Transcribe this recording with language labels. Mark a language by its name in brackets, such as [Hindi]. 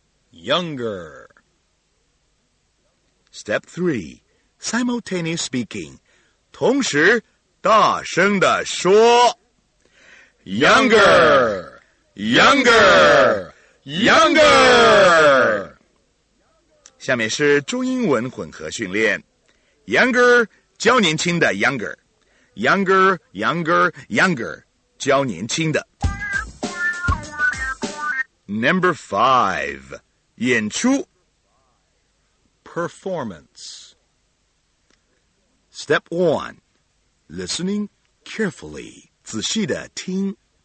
[English] younger. Step three, simultaneous speaking, [Chinese] 同时大声地说。 [English] Younger, younger, younger. [Chinese] 下面是中英文混合训练。Younger, 教年轻的 younger. [English] Younger, younger, younger, [Chinese] 教年轻的。 [English] Number five, [Chinese] 演出。 [English] Performance. Step one, listening carefully, [Chinese] 仔细地听。